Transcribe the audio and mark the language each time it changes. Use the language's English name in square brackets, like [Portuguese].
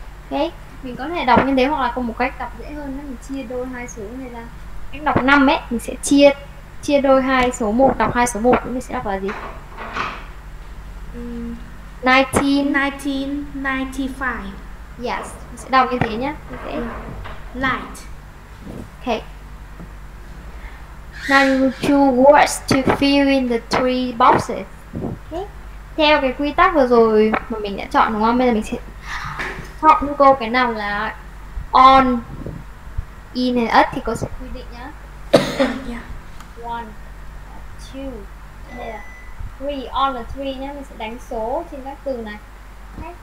[Vietnamese] Ok, mình có thể đọc như thế hoặc là có một cách đọc dễ hơn đó, mình chia đôi hai số này ra. Cách đọc 5 ấy, mình sẽ chia đôi hai số 1, đọc hai số 1 thì mình sẽ đọc là gì? 1995. Yes, mình sẽ đọc như thế nhá. [English] Ok. Light. Ok. Now you choose words to fill in the three boxes. Okay. [Vietnamese] Theo cái quy tắc vừa rồi mà mình đã chọn đúng không? Bây giờ mình sẽ chọn nút câu cái nào là on, in and at thì có sự quy định nhá. [English] Yeah. One, two, three. On the three [Vietnamese] nhá, mình sẽ đánh số trên các từ này. Okay.